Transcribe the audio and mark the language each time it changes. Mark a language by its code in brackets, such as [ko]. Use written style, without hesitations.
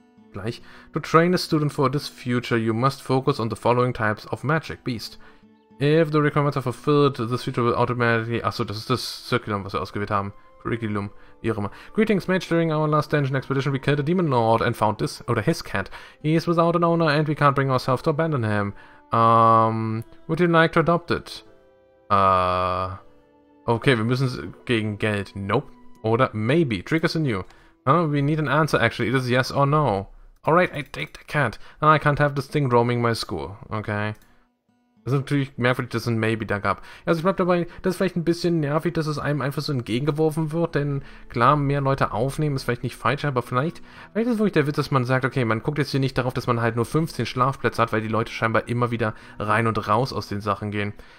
[en] Gleich. To train a student for this future, you must focus on the following types of magic beast. If the requirements are fulfilled, this future will automatically. [de] Achso, das ist das Curriculum, was wir ausgewählt haben. Curriculum, wie auch immer. [en] Greetings, mage. During our last dungeon expedition, we killed a demon lord and found this, oder his cat. He is without an owner and we can't bring ourselves to abandon him. Would you like to adopt it? [de] Okay, wir müssen gegen Geld. Nope. Oder maybe. [en] Triggers anew. We need an answer, actually. It is yes or no. Alright, I take the cat. I can't have this thing roaming my school. Okay. [de] Das ist natürlich merkwürdig, dass es ein Maybe da gab. Also ich bleib dabei, das ist vielleicht ein bisschen nervig, dass es einem einfach so entgegengeworfen wird, denn klar, mehr Leute aufnehmen ist vielleicht nicht falsch, aber vielleicht ist es wirklich der Witz, dass man sagt, okay, man guckt jetzt hier nicht darauf, dass man halt nur 15 Schlafplätze hat, weil die Leute scheinbar immer wieder rein und raus aus den Sachen gehen.